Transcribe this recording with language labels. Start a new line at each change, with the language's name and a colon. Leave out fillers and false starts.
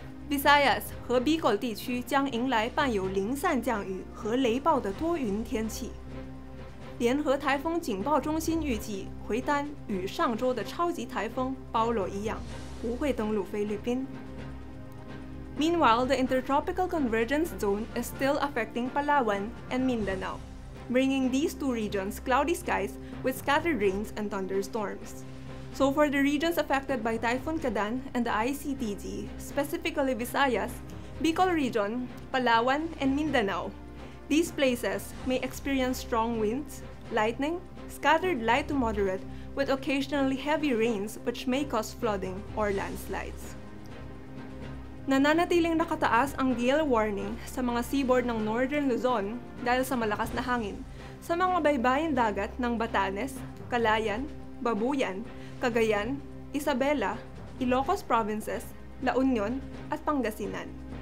Chinese: Visayas 和 Bicol 地区将迎来伴有零散降雨和雷暴的多云天气。联合台风警报中心预计，奎丹与上周的超级台风包罗一样，不会登陆菲律宾。
English: Meanwhile, the intertropical convergence zone is still affecting Palawan and Mindanao, bringing these two regions cloudy skies with scattered rains and thunderstorms. So for the regions affected by Typhoon Gedan and the ICDG, specifically Visayas, Bicol region, Palawan, and Mindanao, these places may experience strong winds, lightning, scattered light to moderate, with occasionally heavy rains which may cause flooding or landslides.
Filipino: Nananatiling nakataas ang gale warning sa mga seaboard ng Northern Luzon dahil sa malakas na hangin sa mga baybayin dagat ng Batanes, Calayan, Babuyan, Cagayan, Isabela, Ilocos Provinces, La Union, at Pangasinan.